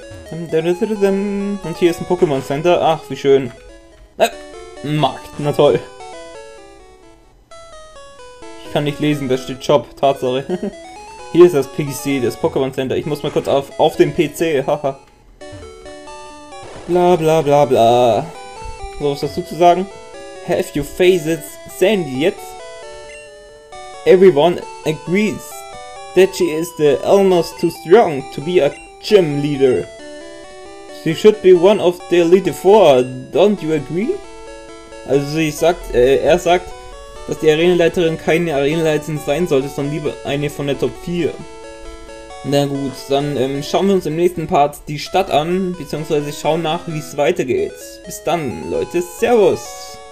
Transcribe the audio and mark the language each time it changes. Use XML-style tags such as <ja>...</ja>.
<de>Und hier ist ein Pokémon Center. Ach, wie schön. Markt, na toll. Ich kann nicht lesen, da steht Job, Tatsache. Hier ist das PC, das Pokémon Center. Ich muss mal kurz auf den PC, haha. Bla bla bla bla. So, was hast du zu sagen?</de> <en>Have you faced Sandy yet? Everyone agrees that she is the almost too strong to be a gym leader. She should be one of the Elite Four, don't you agree?</en> <de>Also er sagt, dass die Arenaleiterin keine Arenaleiterin sein sollte, sondern lieber eine von der Top 4. Na gut, dann schauen wir uns im nächsten Part die Stadt an, beziehungsweise schauen nach, wie es weitergeht. Bis dann, Leute, Servus!</de>